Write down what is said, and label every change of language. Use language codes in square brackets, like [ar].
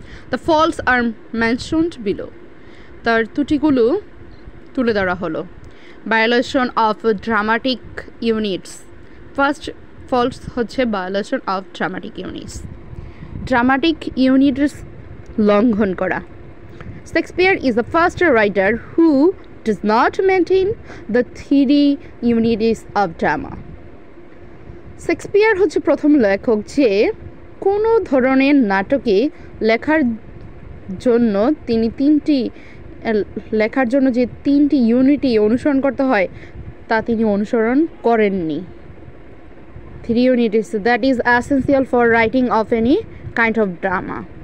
[en] the faults are mentioned below, [bn] তার ত্রুটিগুলো তুলে ধরা হলো। [en] violation of dramatic units, first faults হচ্ছে violation of dramatic units, dramatic units [bn] লঙ্ঘন করা। [en] Shakespeare is the first writer who does not maintain the three unities of drama. [bn] Shakespeare হচ্ছে প্রথম লেখক যে কোনো ধরনের নাটকে লেখার জন্য তিনি তিনটি লেখার জন্য যে তিনটি ইউনিটি অনুসরণ করতে হয় তা তিনি অনুসরণ করেননি। [en] Three unities, that is essential for writing of any kind of drama.